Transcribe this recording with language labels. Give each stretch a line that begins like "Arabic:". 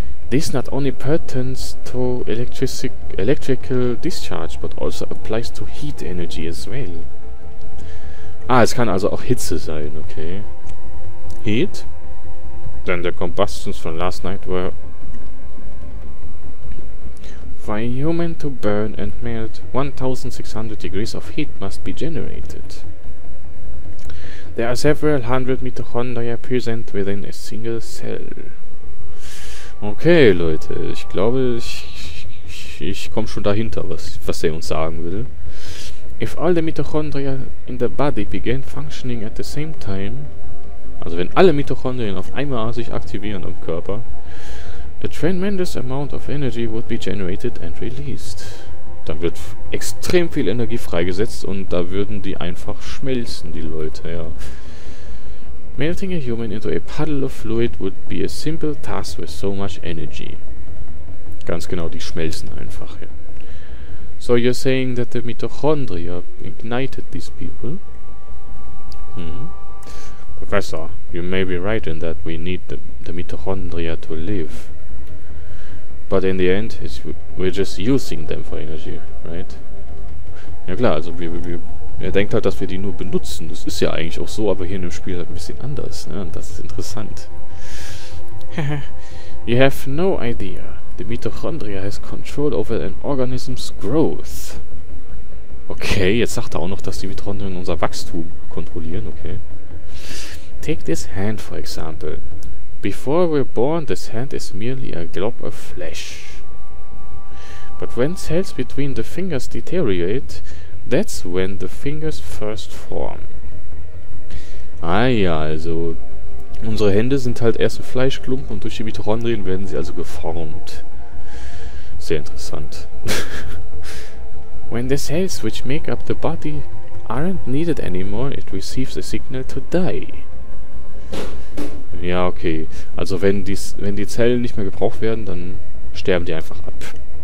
English: This not only pertains to electrical discharge, but also applies to heat energy as well.
German: Ah, es kann also auch Hitze sein, okay.
English: Heat? Then the combustions from last night were... For a human to burn and melt, 1600 degrees of heat must be generated. There are several hundred mitochondria present within a single cell.
German: Okay, Leute, ich glaube, ich ich komme schon dahinter, was er uns sagen will.
English: If all the mitochondria in the body began functioning at the same time,
German: also wenn alle Mitochondrien auf einmal sich aktivieren im Körper,
English: a tremendous amount of energy would be generated and released.
German: Dann wird extrem viel Energie freigesetzt und da würden die einfach schmelzen, die Leute, ja.
English: Melting a human into a puddle of fluid would be a simple task with so much energy.
German: Ganz genau, die schmelzen einfach, ja.
English: So you're saying that the mitochondria ignited these people? Professor, you may be right in that we need the mitochondria to live. But in the end, we're just using them for energy, right?
German: Ja klar, also er denkt halt, dass wir die nur benutzen. Das ist ja eigentlich auch so, aber hier in dem Spiel halt ein bisschen anders, ne? Und das ist interessant.
English: You have no idea. The mitochondria has control over an organism's growth.
German: Okay, jetzt sagt er auch noch, dass die Mitochondrien unser Wachstum kontrollieren, okay.
English: Take this hand for example. Before we're born, this hand is merely a glob of flesh. But when cells between the fingers deteriorate, that's when the fingers first form.
German: Ah ja, also unsere Hände sind halt erst ein Fleischklumpen und durch die Mitochondrien werden sie also geformt. Sehr interessant.
English: When the cells which make up the body aren't needed anymore, it receives a signal to die.
German: Ja, okay. Also wenn die Zellen nicht mehr gebraucht werden, dann sterben die einfach ab.